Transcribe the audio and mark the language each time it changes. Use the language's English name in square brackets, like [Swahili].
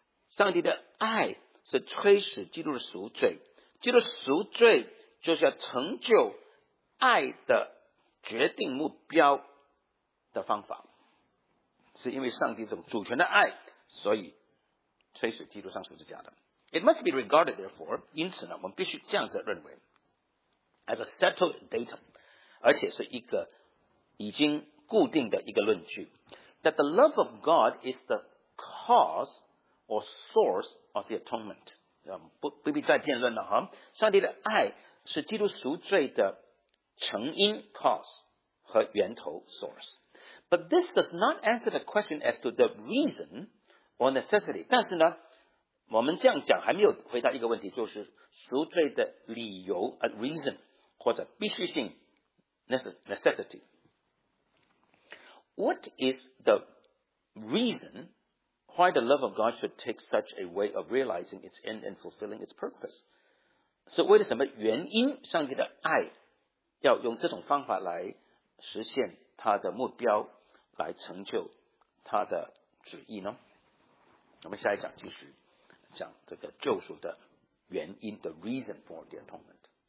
[Chinese] 上帝的爱是催使基督的赎罪，基督赎罪就是要成就爱的决定目标的方法，是因为上帝这种主权的爱，所以催使基督上十字架的。 [English] It must be regarded therefore， [Chinese] 因此呢，我们必须这样子认为 [English] as a settled datum， [Chinese] 而且是一个已经固定的一个论据， [English] that the love of God is the cause or source of the atonement。 [Chinese] 不必再辩论了哈，上帝的爱是基督赎罪的成因 cause 和源头 source。 [English] But this does not answer the question as to the reason or necessity。 [Chinese] 但是呢，我们这样讲还没有回答一个问题，就是赎罪的理由 a reason 或者必须性 necessity。 [English] What is the reason why the love of God should take such a way of realizing its end and fulfilling its purpose? [Chinese] So, 为了什么原因上帝的爱要用这种方法来实现他的目标，来成就他的旨意呢？我们下一讲继续讲这个救赎的原因 [English] the reason for the atonement.